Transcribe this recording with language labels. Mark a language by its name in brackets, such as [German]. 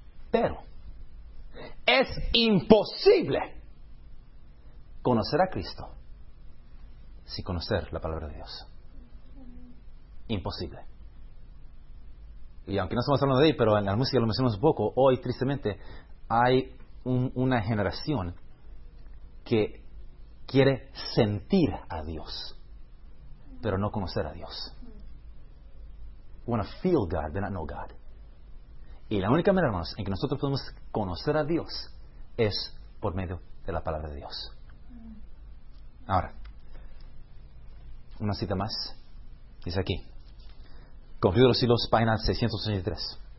[Spanish] Pero es imposible conocer a Cristo sin conocer la palabra de Dios. Imposible. Y aunque no estamos hablando de ahí, pero en la música lo mencionamos un poco, hoy tristemente hay una generación que quiere sentir a Dios, pero no conocer a Dios. [English] We want to feel God, but not know God. [Spanish] Y la única manera, hermanos, en que nosotros podemos conocer a Dios es por medio de la palabra de Dios. Ahora, una cita más. Dice aquí, Confío de los Siglos, página 683.